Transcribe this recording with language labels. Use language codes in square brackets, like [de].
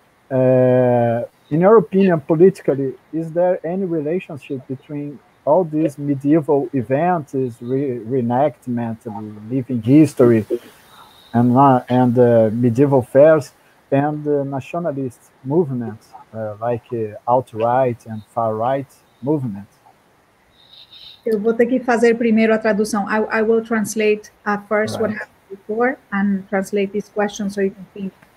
[en] In your opinion, politically, is there any relationship between all these medieval events, reenactment, living history, and medieval fairs, and nationalist movements, like alt-right and far-right movements? [pt] Eu vou ter que fazer primeiro a tradução. [en] I will translate first what happened before and translate this question so you can think.